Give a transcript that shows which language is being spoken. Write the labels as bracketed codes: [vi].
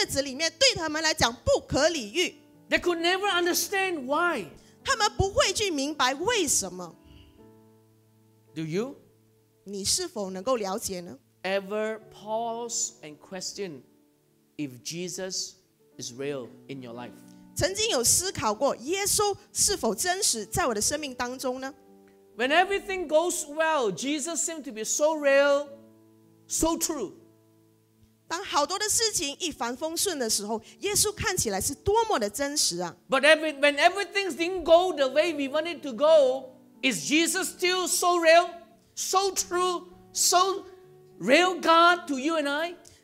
[zh] 这一切所发生在逾越节的日子里面，对他们来讲不可理喻。 [en] They could never understand why. [zh] 他们不会去明白为什么。 [en] Do you? [zh] 你是否能够了解呢? [en] Ever pause and question if Jesus is real in your life? [zh] 曾经有思考过耶稣是否真实在我的生命当中呢? [en] When everything goes well, Jesus seems to be so real, so true. [zh] 当好多的事情一帆风顺的时候，耶稣看起来是多么的真实啊！ [en] But when everything didn't go the way we wanted to go, is Jesus still so real, so true, so real God to you and I?